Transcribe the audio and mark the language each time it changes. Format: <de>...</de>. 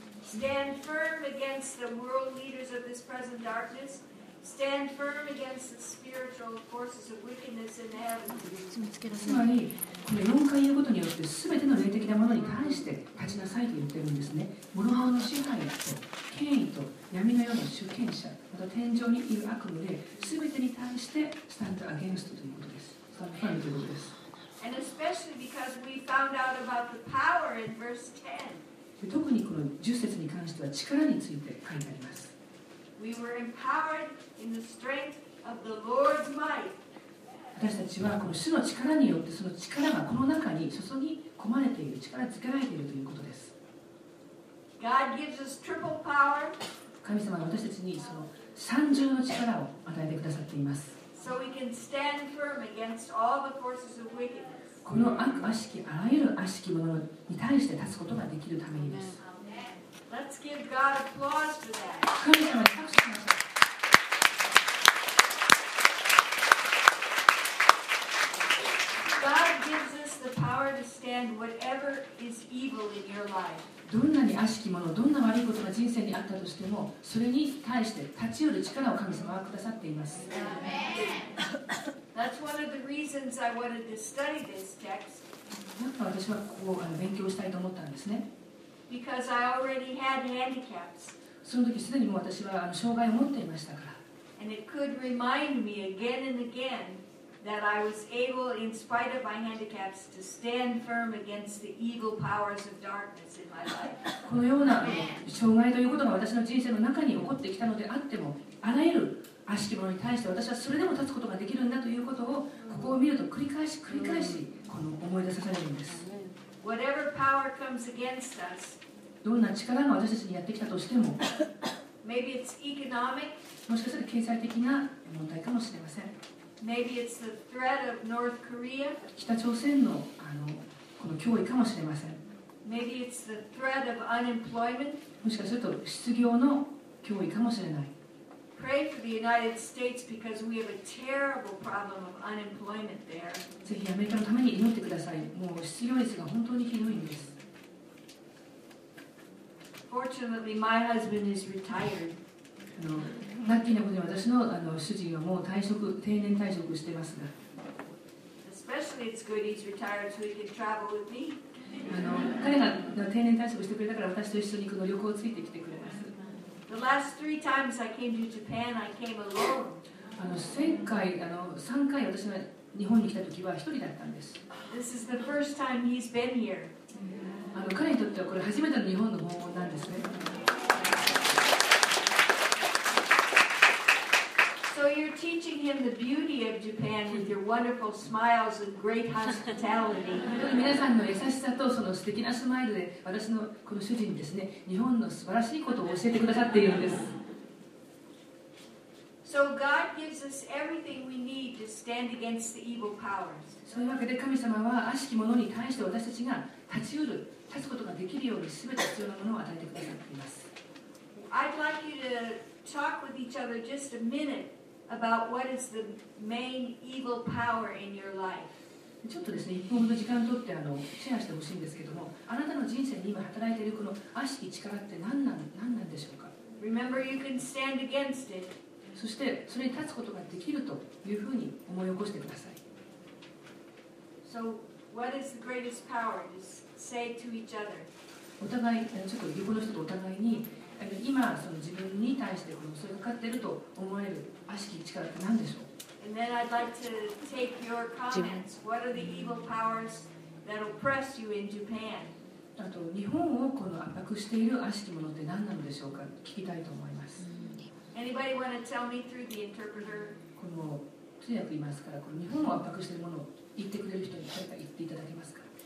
<en>Stand firm against the world leaders of this present darkness. Stand firm against the spiritual forces of wickedness in heaven.</en> <ja>つまり、この4回言うことによって、すべての霊的なものに対して立ちなさいと言ってるんですね。諸々の支配と権威と闇のような主権者、また天上にいる悪の霊、すべてに対して</ja> <en>stand against</en> <ja>ということです。</ja> <en>Stand firm</en> <ja>ということです。</ja> <en>And especially because we found out about the power in verse 10.</en> <ja>特にこの10節に関しては力について書いてあります。</ja> <en>We were empowered in the strength of the Lord's might.</en> <ja>私たちはこの主の力によってその力がこの中に注ぎ込まれている力づけられているということです。</ja> <en>God gives us triple power.</en> <ja>神様は私たちにその三重の力を与えてくださっています。</ja> <en>So we can stand firm against all the forces of wickedness.</en> <ja>この悪しきあらゆる悪しきものに対して立つことができるためにです。</ja> <en>Let's give God applause for that. God gives us the power to stand whatever is evil in your life.</en> <ja>どんなに悪しきもの、どんな悪いことが人生にあったとしても、それに対して立ち寄る力を神様はくださっています。</ja> <en>That's one of the reasons I wanted to study this text.</en> <ja>やっぱ私はここを勉強したいと思ったんですね。</ja> <en>Because I already had handicaps.</en> <ja>その時すでにもう私は障害を持っていましたから。</ja> <en>And it could remind me again and again that I was able, in spite of my handicaps, to stand firm against the evil powers of darkness in my life.</en> <ja>このような障害ということが私の人生の中に起こってきたのであっても、あらゆる悪しきものに対して私はそれでも立つことができるんだということを、ここを見ると繰り返し繰り返しこの思い出さされるんです。</ja> <en>Whatever power comes against us,</en> <ja>どんな力が私たちにやってきたとしても、</ja> <en>maybe it's economic,</en> <ja>もしかしたら経済的な問題かもしれません。</ja> <en>Maybe it's the threat of North Korea,</en> <ja>北朝鮮の、この脅威かもしれません。</ja> <en>Maybe it's the threat of unemployment,</en> <ja>もしかすると失業の脅威かもしれない。</ja> <en>pray for the United States because we have a terrible problem of unemployment there.</en> <ja>ぜひアメリカのために祈ってください。もう失業率が本当にひどいんです。</ja> <en>Fortunately, my husband is retired.</en> <ja>ラッキーなことに私の、主人はもう退職、定年退職してますが。</ja> <en>Especially it's good he's retired so he can travel with me.</en> <ja>彼が定年退職してくれたから私と一緒にこの旅行をついてきてくれます。</ja> <en>The last three times I came to Japan, I came alone.</en> <ja>前回、3回私が日本に来たときは一人だったんです。</ja> <en>This is the first time he's been here.</en> <ja>彼にとってはこれ初めての日本の訪問なんですね。</ja> <en>So you're teaching him the beauty of Japan with your wonderful smiles and great hospitality.</en> <ja>皆さんの優しさとその素敵なスマイルで私のこの主人にですね、日本の素晴らしいことを教えてくださっているんです。</ja> <en>So God gives us everything we need to stand against the evil powers.</en> <ja>そういうわけで神様は悪しきものに対して私たちが立つことができるように全て必要なものを与えてくださっています。</ja> <en>I'd like you to talk with each other just a minute. About what is the main evil power in your life?</en> <ja>ちょっとですね、1分ほど時間を取ってシェアしてほしいんですけども、あなたの人生に今働いているこの悪しき力って何なんでしょうか。</ja> <en>Remember, you can stand against it.</en> <ja>そしてそれに立つことができるというふうに思い起こしてください。</ja> <en>So, what is the greatest power? Just say to each other.</en> <ja>お互いちょっと横の人とお互いに。今その自分に対してこのそれがかかっていると思える悪しき力って何でしょう。あと日本をこの圧迫している悪しきものって何なのでしょうか。聞きたいと思います。</ja> <en>Anybody want to tell me through the interpreter?</en> <ja>この通訳いますから、この日本を圧迫しているものを言ってくれる人に誰か言っていただけますか。</ja>